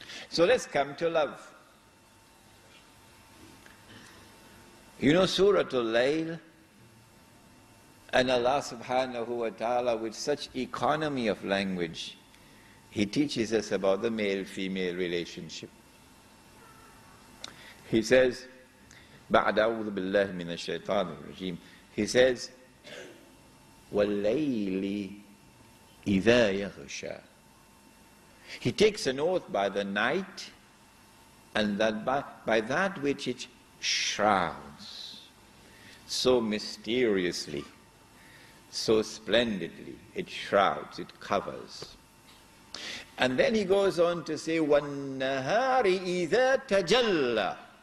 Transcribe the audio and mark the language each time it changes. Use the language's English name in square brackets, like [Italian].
[English] So let's come to love. You know Surah Al-Layl? And Allah subhanahu wa ta'ala, with such economy of language, He teaches us about the male-female relationship. He says, [Arabic] بعد أعوذ بالله من الشيطان الرجيم, He says, والليل إذا يغشى. [English] He takes an oath by the night, and that by that which it shrouds so mysteriously, so splendidly, it shrouds, it covers. And then he goes on to say, [Arabic] وَالنَّهَارِ إِذَا تَجَلَّ.